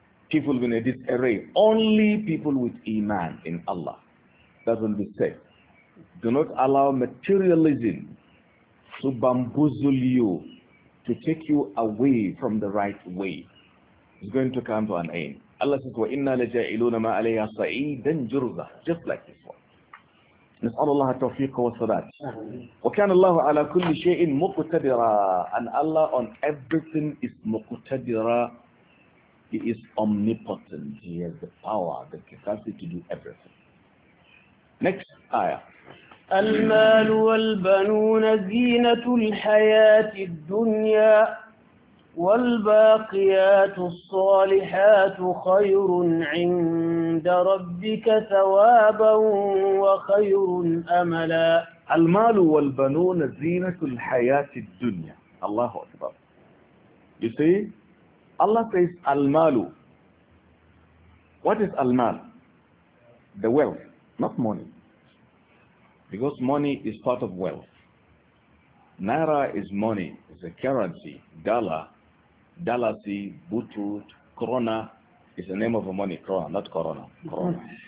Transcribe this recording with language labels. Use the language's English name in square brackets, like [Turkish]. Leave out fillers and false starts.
[English] People in a disarray. Only people with Iman in Allah. That will be safe. Do not allow materialism, to bamboozle you, to take you away from the right way. It's going to come to an end. Allah says, [Arabic] وَإِنَّا لَجَائِلُونَ مَا عَلَيْهَا صَعِيدًا جُرْزًا. [English] Just like this one. [Arabic] نسأل الله التوفيق والسداد. وكان الله على كل شيء مقتدرا. [English] And Allah on everything is مقتدرا. He is omnipotent. He has the power, the capacity to do everything. Next ayah. [Arabic] المال والبنون زينة الحياة الدنيا والباقيات الصالحات خير عند ربك ثوابا وخير أملا. المال والبنون زينة الحياة الدنيا. الله أكبر. [English] You see, Allah says المال. What is المال? The wealth, not money. Because money is part of wealth. Naira is money, it's a currency. Dollar, dalasi, butu, corona is the name of a money, corona, not corona, corona.